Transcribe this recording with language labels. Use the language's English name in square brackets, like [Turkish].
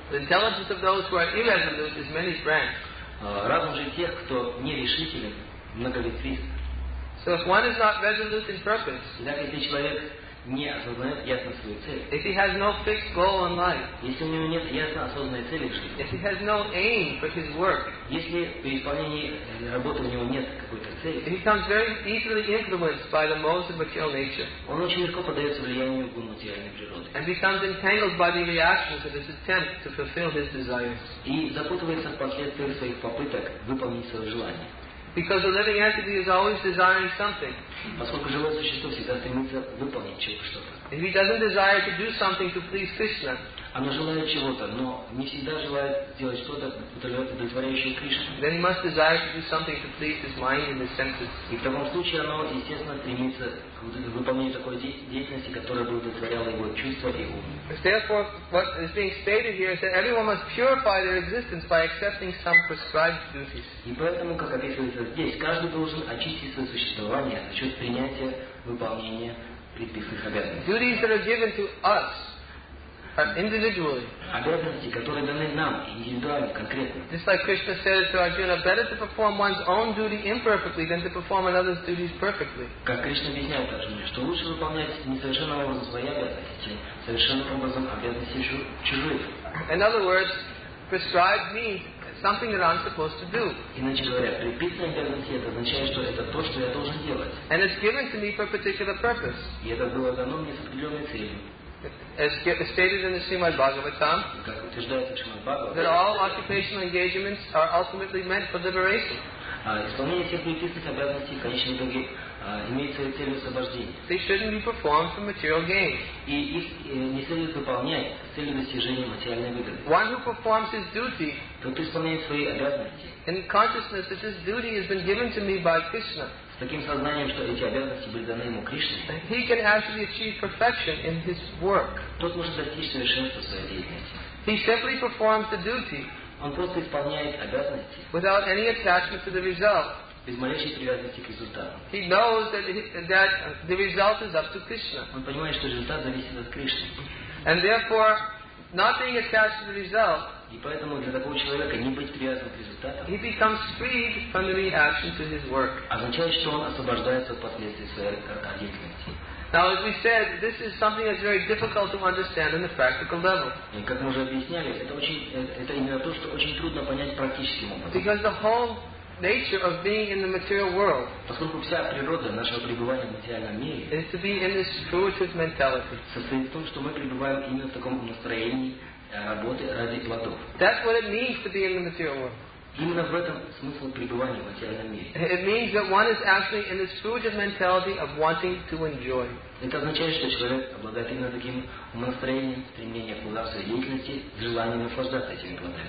[English] the intelligence of those who are irresolute is many strands. [Russian] Разум же тех, кто нерешителен, многоветвист. [English] So if one is not resolute in purpose, [Russian] так если человек не осознает ясно свою цель. [English] If he has no fixed goal in life, [Russian] если у него нет ясно осознанной цели в жизни. [English] If he has no aim for his work, [Russian] если при исполнении работы у него нет какой-то цели. [English] He becomes very easily influenced by the modes of material nature. [Russian] Он очень легко поддается влиянию гун материальной природы. [English] And becomes entangled by the reactions of his attempt to fulfill his desires. [Russian] И запутывается в последствиях своих попыток выполнить свое желание. [English] Because the living entity is always desiring something. [Russian] Поскольку живое существо всегда стремится выполнить что-то. [English] If he doesn't desire to do something to please Krishna, [Russian] оно желает чего-то, но не всегда желает сделать что-то, удовлетворяющее Кришну. [English] Then he must desire to do something to please his mind and his senses. [Russian] И в таком случае оно, естественно, стремится к выполнению такой деятельности, которая бы удовлетворяла его чувства и ум. [English] Therefore, what is being stated here is that everyone must purify their existence by accepting some prescribed duties. [Russian] И поэтому, как описывается здесь, каждый должен очистить свое существование за счет принятия выполнения. [English] Duties that are given to us individually. [Russian] Обязанности, которые даны нам индивидуально, конкретно. [English] Just like Krishna said to Arjuna, better to perform one's own duty imperfectly than to perform another's duties perfectly. [Russian] Как Кришна объясняет Арджуне, что лучше выполнять несовершенным образом свои обязанности, чем совершенным образом обязанности чужих. [English] In other words, prescribed means something that I'm supposed to do. [Russian] Иначе говоря, предписанные обязанности это означает, что это то, что я должен делать. [English] And it's given to me for a particular purpose. [Russian] И это было дано мне с определенной целью. [English] As stated in the Srimad Bhagavatam, that all occupational engagements are ultimately meant for liberation. [Russian] Исполнение всех предписанных обязанностей в конечном итоге имеет свою цель освобождения. [English] They shouldn't be performed for material gain. [Russian] И их не следует выполнять с целью достижения материальной выгоды. [English] One who performs his duty, [Russian] тот исполняет свои обязанности. [English] In consciousness that this duty has been given to me by Krishna. [Russian] С таким сознанием, что эти обязанности были даны ему Кришне. [English] He can actually achieve perfection in his work. [Russian] Тот может достичь совершенства в своей деятельности. [English] He simply performs the duty. [Russian] Он просто исполняет обязанности. [English] Without any attachment to the result. [Russian] Без малейшей привязанности к результату. [English] He knows that the result is up to Krishna. [Russian] Он понимает, что результат зависит от Кришны. [English] And therefore, not being attached to the result, [Russian] и поэтому для такого человека не быть привязанным к результату, [English] he becomes freed from the reaction to his work. [Russian] Означает, что он освобождается от последствий своей деятельности. [English] Now, as we said, this is something that's very difficult to understand on the practical level. [Russian] И как мы уже объясняли, это именно то, что очень трудно понять практическим образом. [English] Because the whole nature of being in the material world, [Russian] поскольку вся природа нашего пребывания в материальном мире, [English] is to be in this spiritual mentality. [Russian] Состоит в том, что мы пребываем именно в таком настроении работы ради плодов. [English] That's what it means to be in the material world. [Russian] Именно в этом смысл пребывания в материальном мире. [English] It means that one is actually in this frugal mentality of wanting to enjoy. [Russian] Это означает, что человек обладает именно таким настроением, стремлением к благодарственной деятельности, желанием наслаждаться этими благами.